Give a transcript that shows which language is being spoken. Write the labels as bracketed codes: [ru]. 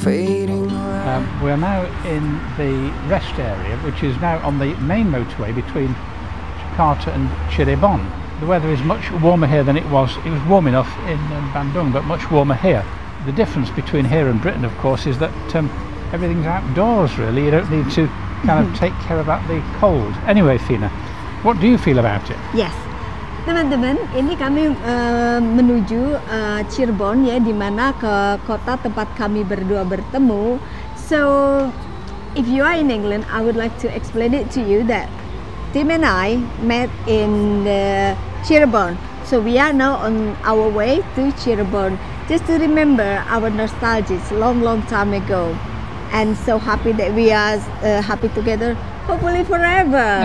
[en] We're now in the rest area, which is now on the main motorway between Jakarta and Cirebon. The weather is much warmer here than it was. It was warm enough in Bandung, but much warmer here. The difference between here and Britain, of course, is that everything's outdoors, really. You don't need to kind of take care about the cold. Anyway, Fina, what do you feel about it? Yes. [id] Teman-teman, ini kami menuju Cirebon, ya, di mana ke kota tempat kami berdua bertemu. [en] So, if you are in England, I would like to explain it to you that Tim and I met in Cirebon. So we are now on our way to Cirebon just to remember our nostalgia long time ago. And so happy that we are happy together, hopefully forever.